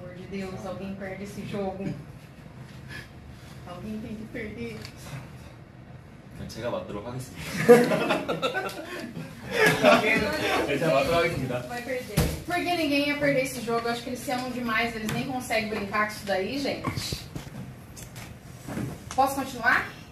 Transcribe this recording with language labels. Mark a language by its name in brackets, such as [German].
[Portuguese] Deus, alguém perde esse jogo. Alguém tem que perder. [Korean] 제가 맡도록 하겠습니다. 제가 맡도록 하겠습니다. [Portuguese] Porque ninguém ia perder esse jogo. Acho que eles se amam demais. Eles nem conseguem brincar com isso daí, gente. Posso continuar?